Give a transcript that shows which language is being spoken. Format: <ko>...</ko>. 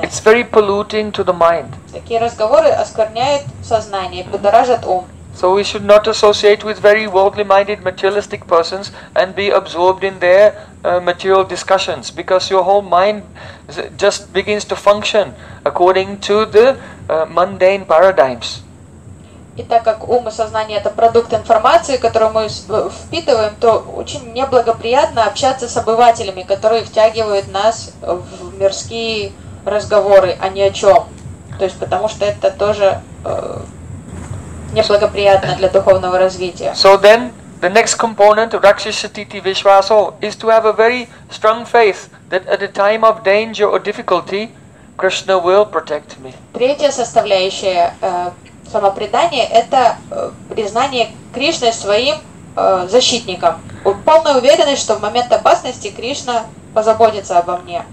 <en>It's very polluting to the mind.</en> <ru>Такие разговоры оскверняют сознание, будоражат ум.</ru> <en>So we should not associate with very worldly-minded, materialistic persons and be absorbed in their material discussions, because your whole mind just begins to function according to the mundane paradigms.</en> <ru>И так как ум и сознание это продукт информации, которую мы впитываем, то очень неблагоприятно общаться с обывателями, которые втягивают нас в мирские разговоры, а не о чем. То есть потому что это тоже неблагоприятно для духовного развития.</ru> <en>So then, the next component of rakshasatiti vishwaso is to have a very strong faith that at a time of danger or difficulty, Krishna will protect me.</en> <ru>Третья составляющая самопредания – это признание Кришны своим защитником. Полная уверенность, что в момент опасности Кришна позаботится обо мне.</ru>